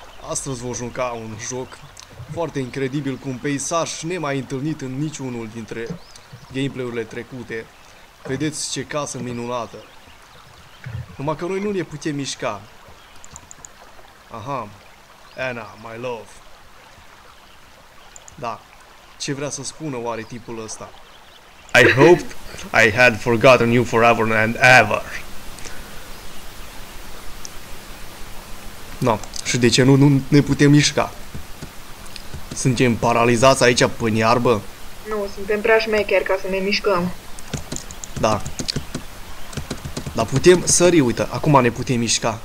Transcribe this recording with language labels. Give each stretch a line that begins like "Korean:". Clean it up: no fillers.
Romanian: Astăzi voi juca un joc foarte incredibil, cu un peisaj nemai întâlnit în niciunul dintre gameplay-urile trecute. Vedeți ce casă minunată. Numai că noi nu ne putem mișca.
English: Aha, Anna, my love.
Romanian: Da, ce vrea să spună oare tipul ăsta?
English: I hoped I had forgotten you forever and ever. No.
Romanian: Și de ce nu ne putem mișca? Suntem paralizați aici pe iarbă? Nu, suntem prea șmecheri ca să ne mișcăm. Da. Dar putem sări, uite, acum ne putem mișca.